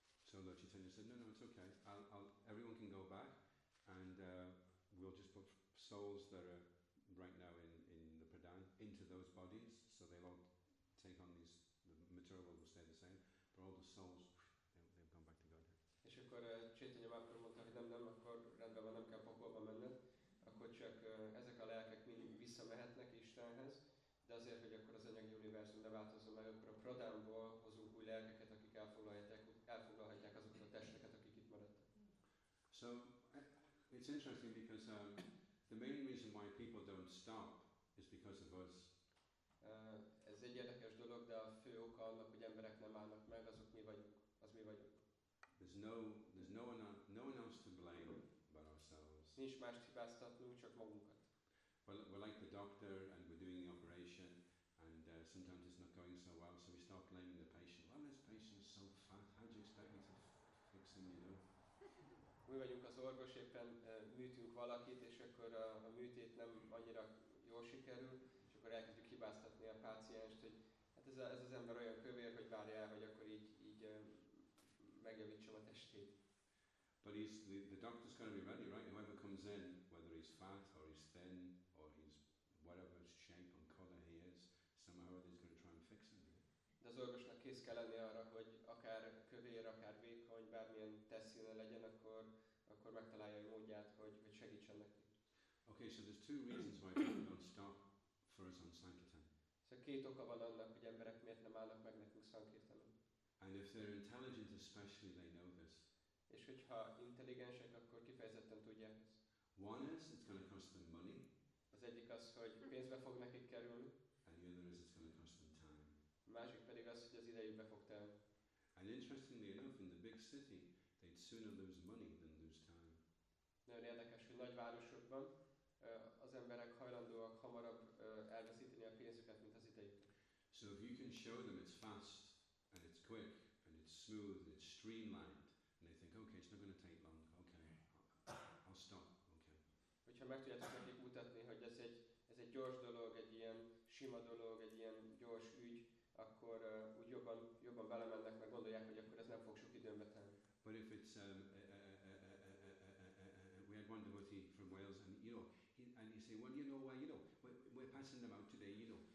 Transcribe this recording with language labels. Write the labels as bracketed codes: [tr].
[en] So Lord Chaitanya said, no, it's okay, everyone can go back, and we'll just put souls that are right now in the pradhan into those bodies, so they won't take on these, the material world will stay the same, but all the souls, they've gone back to Godhead. [hu] És akkor Chaitanya Mahaprabhu mondta, hogy nem, akkor rendben van, nem kell pokolba menned, akkor csak ezek a lelkek mindig visszamehetnek Istenhez, de azért, hogy akkor az anyagi univerzum ne változzon meg, akkor a pradhánból hozunk új lelkeket, akik elfoglalhatják azokat a testeket, akik itt maradtak. [en] So, it's interesting because the main reason why people don't stop is because of us. [hu] Ez egy érdekes dolog, de a fő oka annak, hogy emberek nem állnak meg, azok mi vagyunk, az mi vagyunk. [en] There's no one else to blame but ourselves. [hu] Nincs mást hibáztatni, csak magunkat. [en] We're like the doctor and we're doing the operation and sometimes it's not going so well, so we start blaming the patient. Well, this patient is so fat, how do you expect me to fix him, you know? [hu] Mi vagyunk az orvos, éppen műtünk valakit, és akkor a műtét nem annyira jól sikerül, és akkor elkezdjük hibáztatni a pácienst, hogy hát ez az ember olyan kövér, hogy várja el, hogy akkor így megjavítsam a testét. [en] But he's the doctor's going to be ready, right? Whoever comes in, whether he's fat or he's thin or he's whatever shape and color he is, somehow he's going to try and fix him. [hu] De az orvosnak kész kell lenni arra, hogy akár kövér, akár vékony, bármilyen testszíne legyen, akkor megtalálja a módját, hogy segítsen neki. [en] Okay, so there's two reasons why people don't stop for us on Sankirtan. [hu] Szóval két oka van annak, hogy emberek miért nem állnak meg nekünk Sankirtanon. [en] And if they're intelligent especially, they know this. [hu] És hogyha intelligensek, akkor kifejezetten tudják ezt. [en] One is, it's going to cost them money. [hu] Az egyik az, hogy pénzbe fog nekik kerülni. [en] And the other is, it's going to cost them time. [hu] A másik pedig az, hogy az idejükbe fog telni. [en] And interestingly enough, in the big city, they'd sooner lose money than lose time. [hu] Nagyon érdekes, hogy nagyvárosokban az emberek hajlandóak hamarabb elveszíteni a pénzüket, mint az idejük. [en] So if you can show them it's fast, and it's quick, and it's smooth, and it's streamlined, and they think, okay, it's not going to take long, okay, I'll stop, okay. [hu] Hogyha meg tudjátok nekik mutatni, hogy ez egy gyors dolog, egy ilyen sima dolog, egy ilyen gyors ügy, akkor úgy jobban belemennek, meg gondolják, hogy akkor ez nem fog sok időmbe tenni. [en] But if it's, we had one devotee from Wales, and you know, and you say, well, you know, we're passing them out today, you know.